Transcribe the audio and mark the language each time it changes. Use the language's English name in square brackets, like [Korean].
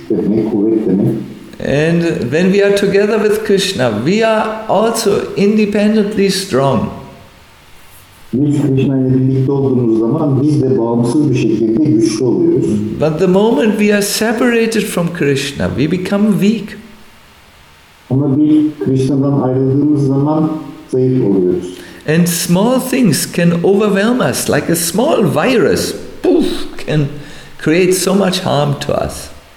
[English] And when we are together with Krishna, we are also independently strong. But the moment we are separated from Krishna, we become weak. [Turkish] Ama biz Krishna'dan ayrıldığımız zaman zayıf oluyoruz. [English] And small things can overwhelm us, like a small virus, poof, can create so much harm to us.